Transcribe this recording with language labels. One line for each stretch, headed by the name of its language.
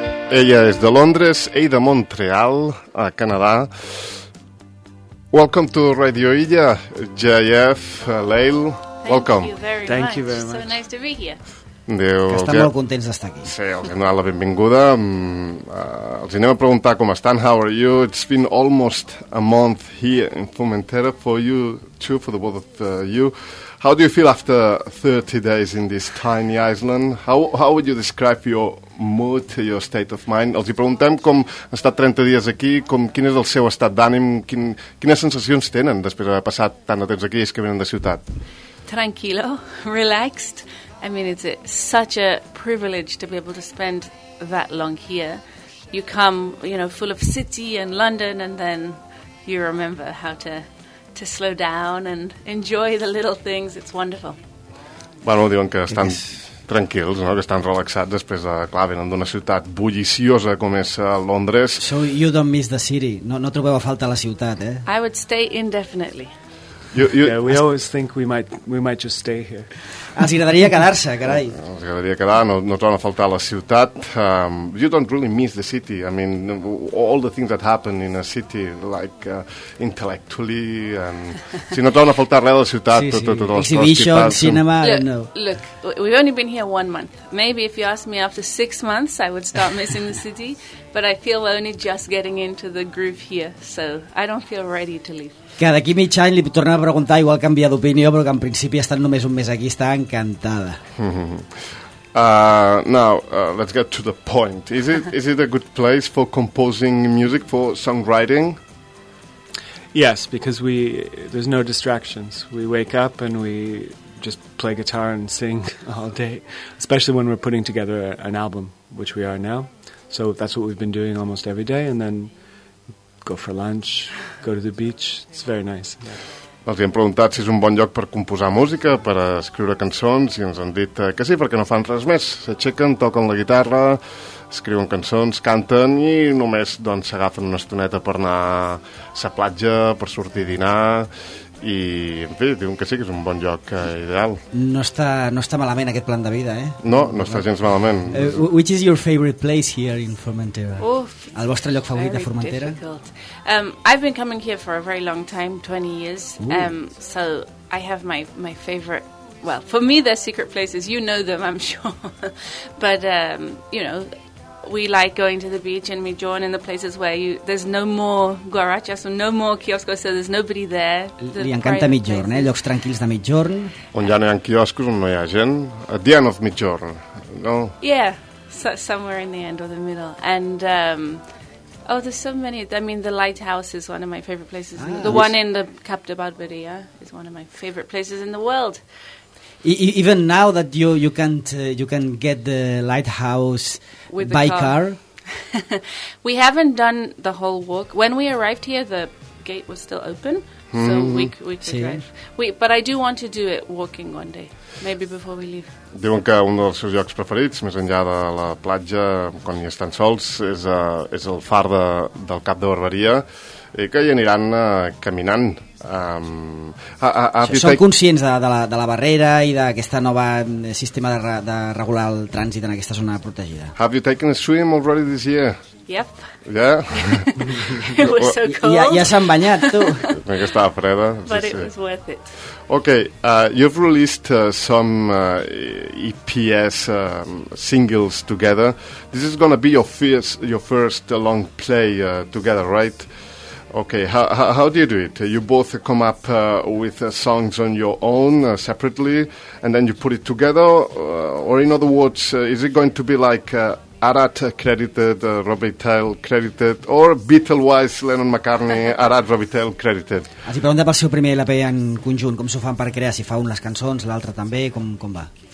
Catalan: Ella és de Londres, ell de Montreal, a Canadà.
English: Welcome to Radio Illa, J.F., Leil, welcome. Thank you very much. So nice to be here.
Catalan: Diu, que estan molt contents d'estar aquí. Sí, els hem donat la benvinguda. Els anem a preguntar com estan.
English: How are you? It's been almost a month here in Formentera for you too, for the both of you. How do you feel after 30 days in this tiny island? How would you describe your mood, your state of mind?
Catalan: Els hi preguntem com ha estat 30 dies aquí, com, quin és el seu estat d'ànim, quines sensacions tenen després d'haver passat tant de temps aquí i que venen de ciutat?
English: Tranquilo, relaxed. I mean, it's such a privilege to be able to spend that long here. You come, you know, full of city and London, and then you remember how to slow down and enjoy the little things. It's wonderful.
Catalan: Bueno, diuen que estan tranquils, no? Que estan relaxats després de, clar, venen d'una ciutat bulliciosa com és Londres.
English: So you don't miss the city.
Catalan: No trobeu a faltar la ciutat, eh?
English: I would stay indefinitely. Yeah, we always think we might just stay here.
Catalan: Els agradaria quedar-se, carai. Els agradaria quedar, no troben a faltar la ciutat.
English: You don't really miss the city. I mean, all the things that happen in a city, like intellectually.
Catalan: And si no troben a faltar res de la ciutat, sí, sí. Tot exhibition, cinema, no.
English: Look, we've only been here 1 month. Maybe if you ask me after 6 months, I would start missing the city. But I feel only just getting into the groove here, so I don't feel ready to leave.
Catalan: Que d'aquí mig any li tornem a preguntar, igual canvia d'opinió, però que en principi estan només un mes aquí, està encantada.
English: Let's get to the point. Is it a good place for composing music, for songwriting? Yes, because there's no distractions. We wake up and we just play guitar and sing all day, especially when we're putting together an album, which we are now. So that's what we've been doing almost every day, and then go for lunch, go to the beach. It's very nice.
Catalan: Els hem preguntat si és un bon lloc per composar música, per escriure cançons, i ens han dit que sí, perquè no fan res més. S'aixequen, toquen la guitarra, escriuen cançons, canten, i només s'agafen una estoneta per anar a la platja, per sortir a dinar, i en fi, diuen que sí, que és un bon lloc ideal. No està malament aquest plan de vida, eh? No està gens malament.
English: Which is your favorite place here in Formentera? Uf,
Catalan: el vostre lloc favorit de Formentera?
English: I've been coming here for a very long time, 20 years. So I have my favorite, well, for me they're secret places, you know them, I'm sure. But you know, we like going to the beach and we join in the places where there's no more guaracha, so no more kioscos, so there's nobody there.
Catalan: Li encanta migjorn, eh? Llocs tranquils de migjorn. On ja no hi ha kioscos, on no hi ha gent.
English: At the end of migjorn,
Catalan: no?
English: Yeah, somewhere in the end or the middle. And there's so many. I mean, the lighthouse is one of my favorite places. Ah, the one in the Cap de Barbería is one of my favorite places in the world. Even now that you can get the lighthouse by car. We haven't done the whole walk. When we arrived here, the gate was still open, so we could drive. But I do want to do it walking one day, maybe before we leave.
Catalan: Diuen que un dels seus llocs preferits, més enllà de la platja, quan hi estan sols, és el far del Cap de Barbería, i que hi aniran caminant. Són conscients de la barrera i d'aquesta nova sistema de regular el trànsit en aquesta zona protegida.
English: Have you taken a swim already this year? Yep. Yeah? It was so cold.
Catalan: Ja s'han banyat, tu. Que estava freda.
English: But it was worth it. Okay, you've released some EPS singles together. This is going to be your first long play together, right? Okay, how do you do it? You both come up with songs on your own separately, and then you put it together? Or in other words, is it going to be like Arat credited, Robitaille credited, or Beatle-wise Lennon-McCartney, Arat, Robitaille credited?
Catalan: Els hi pregunta pel seu primer LP en conjunt, com s'ho fan per crear, si fa un les cançons, l'altre també, com va?